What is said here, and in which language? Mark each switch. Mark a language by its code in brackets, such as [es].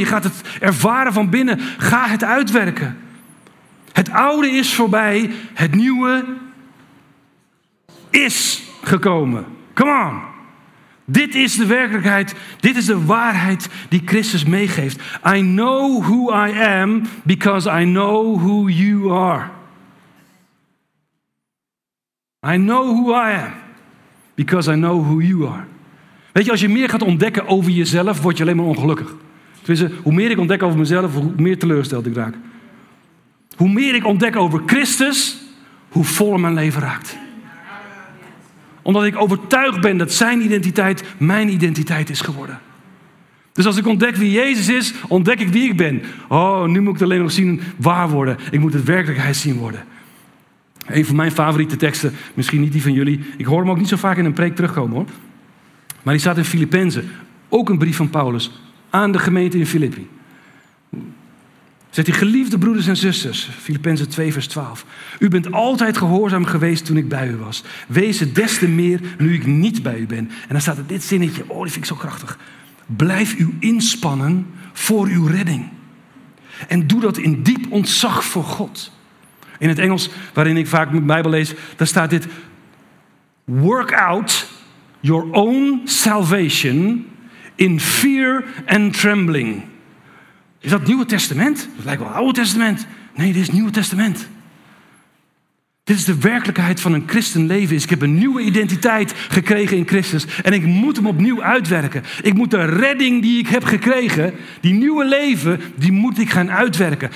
[nl] Je gaat het ervaren van binnen. Ga het uitwerken. Het oude is voorbij. Het nieuwe is gekomen. [en] Come on. [nl] Dit is de werkelijkheid. Dit is de waarheid die Christus meegeeft. [en] I know who I am because I know who you are. I know who I am because I know who you are. [nl] Weet je, als je meer gaat ontdekken over jezelf, word je alleen maar ongelukkig. Tenminste, hoe meer ik ontdek over mezelf, hoe meer teleurgesteld ik raak. Hoe meer ik ontdek over Christus, hoe voller mijn leven raakt. Omdat ik overtuigd ben dat zijn identiteit mijn identiteit is geworden. Dus als ik ontdek wie Jezus is, ontdek ik wie ik ben. Oh, nu moet ik het alleen nog zien waar worden. Ik moet het werkelijkheid zien worden. Een van mijn favoriete teksten, misschien niet die van jullie. Ik hoor hem ook niet zo vaak in een preek terugkomen hoor. Maar die staat in Filippenzen. Ook een brief van Paulus aan de gemeente in Filippi. Zegt hij, geliefde broeders en zusters, Filippenzen 2 vers 12. U bent altijd gehoorzaam geweest toen ik bij u was. Wees het des te meer nu ik niet bij u ben. En dan staat er dit zinnetje, oh dat vind ik zo krachtig. Blijf u inspannen voor uw redding. En doe dat in diep ontzag voor God. In het Engels, waarin ik vaak mijn Bijbel lees, daar staat dit. [en] Work out your own salvation in fear and trembling. [nl] Is dat het Nieuwe Testament? Dat lijkt wel het Oude Testament. Nee, dit is het Nieuwe Testament. Dit is de werkelijkheid van een christen leven. Ik heb een nieuwe identiteit gekregen in Christus. En ik moet hem opnieuw uitwerken. Ik moet de redding die ik heb gekregen, die nieuwe leven, die moet ik gaan uitwerken.